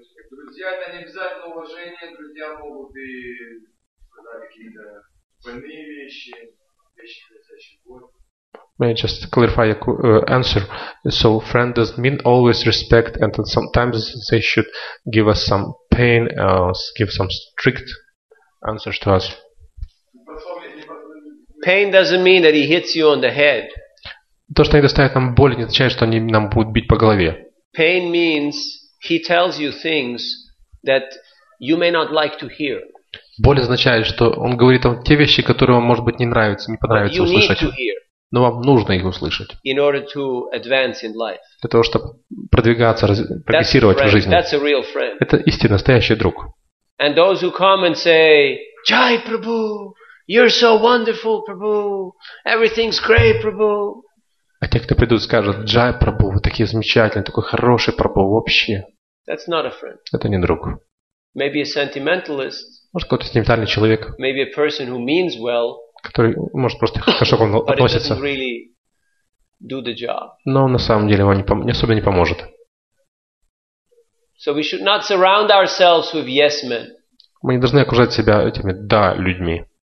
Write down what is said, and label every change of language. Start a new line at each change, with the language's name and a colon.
Russian: Друзья, это не обязательно уважение, друзья могут и какие-то больные вещи, вещи, приносящие боль.
English: May I just clarify your answer? So, friend doesn't mean always respect, and that sometimes they should give us some pain, give some strict answers to us. Pain doesn't mean that he hits you on the head.
Russian: То, что они доставят нам боль, не означает, что они нам будут бить по голове.
English: Pain means he tells you things that you may not like to hear.
Russian: Боль означает, что он говорит вам те вещи, которые вам, может быть, не нравятся, не понравится услышать.
English: But you need to hear.
Russian: Но вам нужно их услышать.
English: In order to advance in life.
Russian: Для того, чтобы продвигаться, прогрессировать в жизни.
English: That's a real friend.
Russian: Это истинно настоящий друг.
English: And those who come and say, Jai Prabhu, you're so wonderful, Prabhu, everything's great, Prabhu.
Russian: А те, кто придут, скажут, Джай Прабу, вы такие замечательные, такой хороший Прабу вообще.
English: That's not a friend.
Russian: Это не друг.
English: Maybe a sentimentalist.
Russian: Может, какой-то сентиментальный человек.
English: Maybe a person who means well.
Russian: Который, может, просто хорошо к вам относится.
English: Really.
Russian: Но на самом деле вам не особо не поможет.
English: So we should not surround ourselves with yes men.
Russian: Мы не должны окружать себя этими «да» людьми.